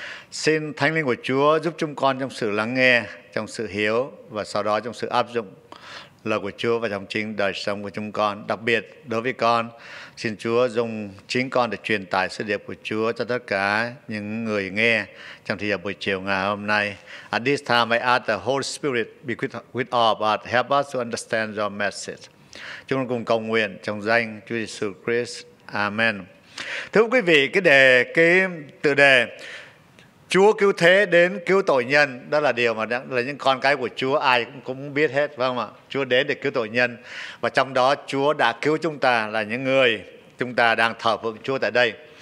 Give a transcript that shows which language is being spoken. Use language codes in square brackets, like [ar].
[vi] Xin Thánh Linh của Chúa giúp chúng con trong sự lắng nghe, trong sự hiểu và sau đó trong sự áp dụng lời của Chúa vào trong chính đời sống của chúng con. Đặc biệt đối với con, xin Chúa dùng chính con để truyền tải sứ điệp của Chúa cho tất cả những người nghe trong thời gian buổi chiều ngày hôm nay. [en] At this time I ask the Holy Spirit be with all of us, help us to understand your message. [vi] Chúng con cùng cầu nguyện trong danh Chúa Jesus Christ. Amen. Thưa quý vị, cái tựa đề Chúa cứu thế đến cứu tội nhân, đó là điều mà là những con cái của Chúa ai cũng biết hết, phải không ạ? Chúa đến để cứu tội nhân, và trong đó Chúa đã cứu chúng ta là những người chúng ta đang thờ phượng Chúa tại đây.